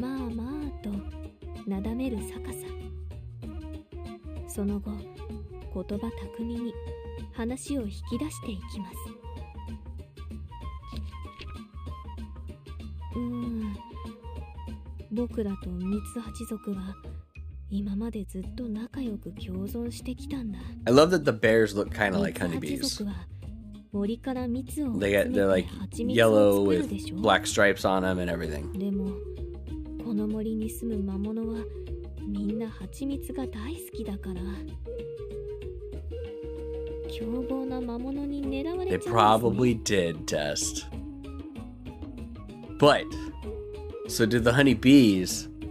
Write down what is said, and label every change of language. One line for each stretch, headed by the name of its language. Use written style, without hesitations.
Japanese: まあまあとなだめる逆さ。その後、言葉巧みに話を引き出していきます。僕らとミツハチ族は今までずっと仲良く共存してきたんだ。
English: I love that the bears look kind of like honeybees. They got, they're like yellow with black stripes on them and everything.
Japanese: でもこの森に住む魔物はみんな蜂蜜が大好きだから。凶暴な魔物に狙われて。
English: They probably did test. But, so did the honeybees.